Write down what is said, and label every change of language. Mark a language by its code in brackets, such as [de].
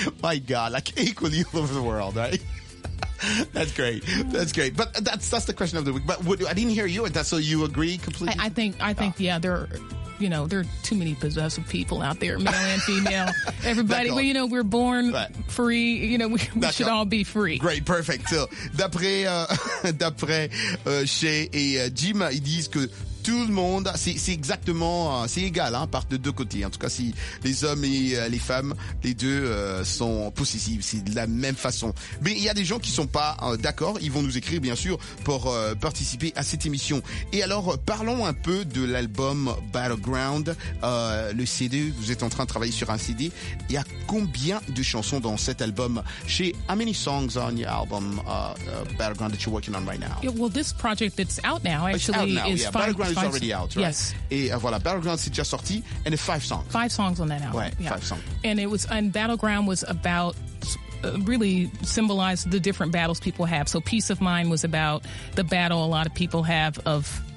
[en] My God, like equally all over the world, right? That's great. That's great. But that's the question of the week. But I didn't hear you. So you agree completely? I think there are, you know, there are too many possessive people out there, male and female. Everybody, well, you know, we're born free. You know, we should all be free. Great, perfect. [fr] So d'après Shay et Jim, ils disent que tout le monde, c'est égal, hein, par de deux côtés. En tout cas, si les hommes et les femmes, les deux sont possessifs, c'est de la même façon. Mais il y a des gens qui sont pas d'accord. Ils vont nous écrire, bien sûr, pour participer à cette émission. Et alors, parlons un peu de l'album Battleground, le CD. Vous êtes en train de travailler sur un CD. Il y a combien de chansons dans cet album? [en] Chez, how many songs on your album Battleground that you're working on right now? Yeah, well, this project that's out now actually out now, is yeah. five. Battleground is already out, right? Yes. [fr] Et voilà, Battleground c'est déjà sorti, [en] and it's five songs. Five songs on that album. Right, yeah. Five songs. And Battleground was about, really symbolized the different battles people have. So Peace of Mind was about the battle a lot of people have of